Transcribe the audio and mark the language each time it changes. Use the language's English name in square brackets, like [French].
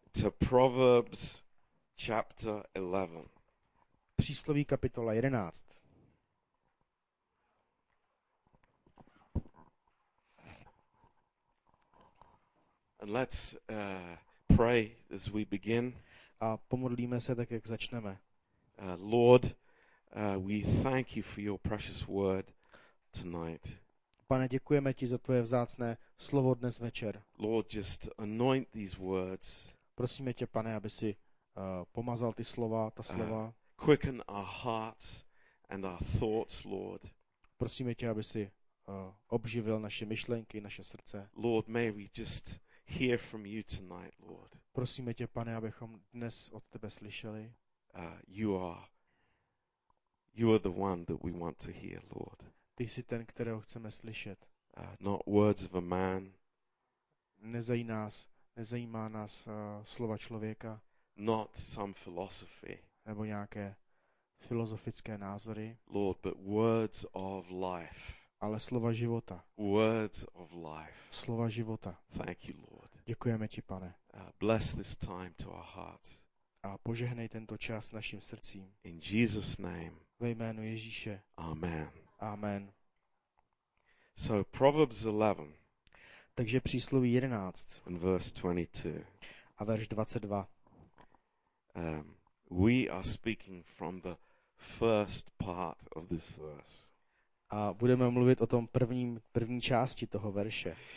[English] To Proverbs chapter 11. [Czech] Přísloví kapitola 11. [English] And let's pray as we begin. [Czech] A pomodlíme se tak, jak začneme. [English] Lord, we thank you for your precious word tonight. [Czech] Pane, děkujeme ti za tvoje vzácné slovo dnes večer. [English] Lord, just anoint these words. [Czech] Prosíme tě, pane, aby si pomazal ty slova, ta slova. [English] Quicken our hearts and our thoughts, Lord. [Czech] Prosíme tě, aby si obživil naše myšlenky, naše srdce. [English] Lord, may we just hear from you tonight, Lord. [Czech] Prosíme tě, pane, abychom dnes od tebe slyšeli. [English] You are the one that we want to hear, Lord. [Czech] Ty jsi ten, kterého chceme slyšet. [English] Not words of a man. [Czech] Nezajímá nás slova člověka. [English] Not some philosophy. [Czech] Nebo nějaké filozofické názory. [English] Lord, but words of life. [Czech] Ale slova života. [English] Words of life. [Czech] Slova života. [English] Thank you, Lord. [Czech] Děkujeme ti, pane. [English] Bless this time to our hearts. [Czech] A požehnej tento čas našim srdcím. [English] In Jesus' name. [Czech] Ve jménu Ježíše. [English] Amen. [Czech] Amen. [English] So Proverbs 11. [Czech] Takže přísloví 11. [English] And verse 22. [Czech] A verš 22. [English] We are speaking from the first part of this verse. [Czech] A budeme mluvit o tom první části toho verše.